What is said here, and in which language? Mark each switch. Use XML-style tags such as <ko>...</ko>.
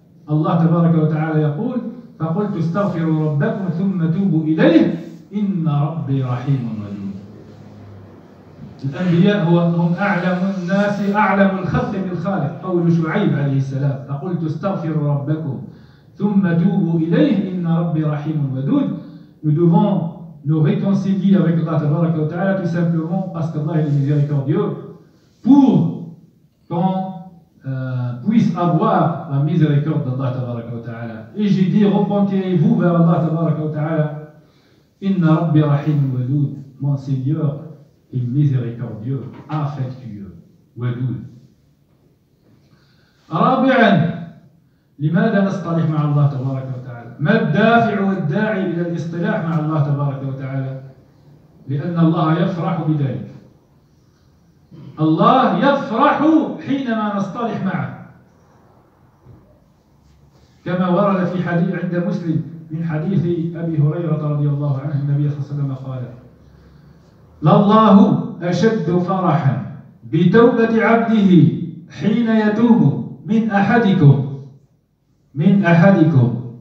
<ar>الله تبارك وتعالى يقول: فقلت استغفروا ربكم ثم توبوا إليه إن ربي رحيم ودود. الأنبياء هم أعلم الناس أعلم الخلق بالخالق. قول شعيب عليه السلام: فقلت استغفروا ربكم ثم توبوا إليه إن ربي رحيم ودود.</ar> <fr>Nous devons nous réconcilier avec Allah</fr> <ar>تبارك وتعالى</ar> <fr>tout simplement parce que Allah est miséricordieux pour qu'on puisse avoir la miséricorde d'Allah تبارك وتعالى. Et j'ai dit: repentez-vous vers Allah tabaraka wa ta'ala.</fr> <ar>Inna rabbi rahim wadud.</ar> <fr>Mon Seigneur est miséricordieux, affectueux, wadud. Rabi'an,</fr> <ar>لماذا نصطلح مع الله تبارك وتعالى؟ ما الدافع والداعي إلى الاصطلاح مع الله تبارك وتعالى؟ لأن الله يفرح بذلك. الله يفرح حينما نصطلح معه، كما ورد في حديث عند مسلم من حديث أبي هريرة رضي الله عنه، النبي صلى الله عليه وسلم قال: لله أشد فرحا بتوبة عبده حين يتوب من أحدكم، من أحدكم</ar>